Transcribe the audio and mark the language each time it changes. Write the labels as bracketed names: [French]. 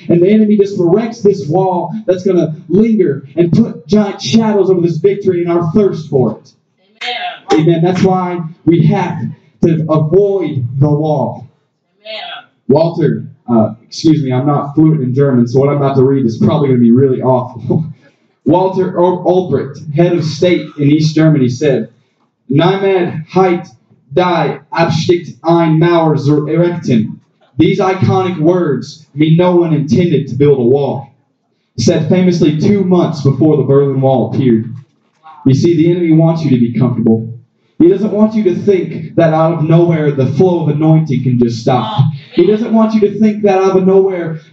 [English] And the enemy just erects this wall that's going to linger and put giant shadows over this victory and our thirst for it. Amen. Amen. That's why we have to avoid the wall. Amen. Walter, excuse me, I'm not fluent in German, so what I'm about to read is probably going to be really awful. Walter Ulbricht, head of state in East Germany, said, [German] Niemand hat die Absicht ein Mauer zu erecten. [English] These iconic words mean no one intended to build a wall, said famously 2 months before the Berlin Wall appeared. You see, the enemy wants you to be comfortable. He doesn't want you to think that out of nowhere the flow of anointing can just stop. He doesn't want you to think that out of nowhere